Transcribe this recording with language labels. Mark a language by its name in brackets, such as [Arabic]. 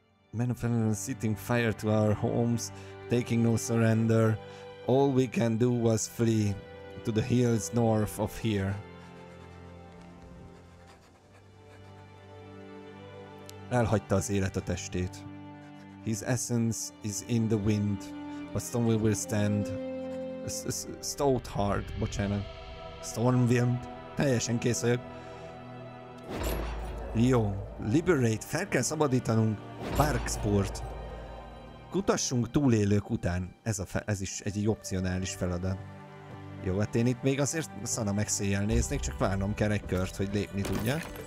[English] Men of Elven setting fire to our homes, taking no surrender. All we can do was flee to the hills north of here. [Hungarian] Elhagyta az élet a testét. [English] His essence is in the wind, but Stormwind will stand. [Hungarian] Stoutheart, bocsánat. Stormwind, teljesen kész vagyok. Jó, liberate, fel kell szabadítanunk Barkspurt. Kutassunk túlélők után, ez is egy opcionális feladat. Jó, hát én itt még azért szana megszéjjel néznék, csak várnom kell egy kört, hogy lépni tudjak.